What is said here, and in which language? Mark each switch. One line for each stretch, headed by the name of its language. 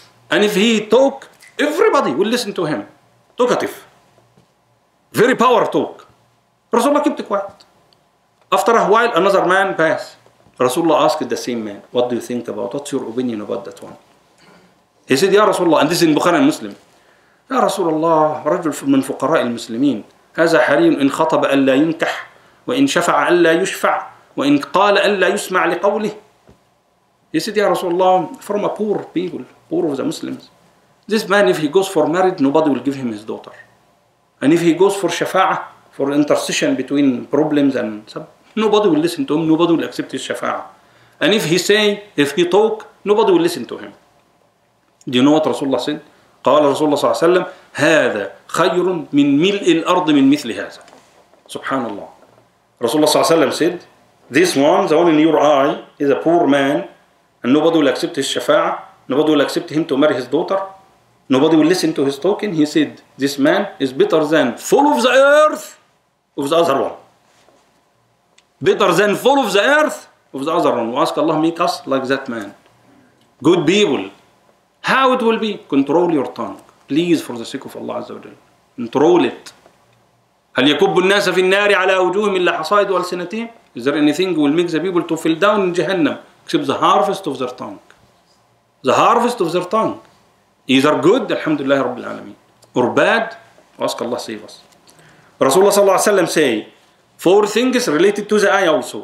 English: And if he talk, everybody will listen to him. Talkative. Very power talk. Rasulullah kept quiet. After a while, another man passed. Rasulullah asked the same man, what do you think about, what's your opinion about that one? He said, Ya Rasulullah, and this is in Bukhari al-Muslim.
Arabic: Ya Rasulullah, رجل من فقراء المسلمين. هذا حري إن خطب ألا ينكح وإن شفع ألا يشفع وإن قال ألا يسمع لقوله.
English: He said, Ya Rasulullah, from a poor people, poor of the Muslims. This man, if he goes for marriage, nobody will give him his daughter. And if he goes for shafa'ah, for intercession between problems and some, nobody will listen to him, nobody will accept his shafa'ah. And if he say, if he talk, nobody will listen to him. Do you know what Rasulullah said?
Arabic: قال رسول الله صلى الله عليه وسلم هذا خير من ملء الأرض من مثل هذا. سبحان الله. رسول الله صلى الله عليه وسلم
English: said, this one, the one in your eye, is a poor man, and nobody will accept his shafa'ah, nobody will accept him to marry his daughter, nobody will listen to his talking. He said, this man is better than full of the earth of the other one. Better than full of the earth of the other one. We ask Allah make us like that man. Good people. How it will be? Control your tongue. Please, for the sake of Allah Azza wa Jal. Control it.
Arabic: هل يكب الناس في النار على وجوههم إلا حصائد ألسنتهم?
English: Is there anything will make the people to fall down in Jahannam? Except the harvest of their tongue. The harvest of their tongue. Either good, alhamdulillah, Rabbil Alameen. Or bad, ask Allah save us. Rasulullah
Arabic: صلى الله عليه وسلم
English: say, four things related to the ayah also.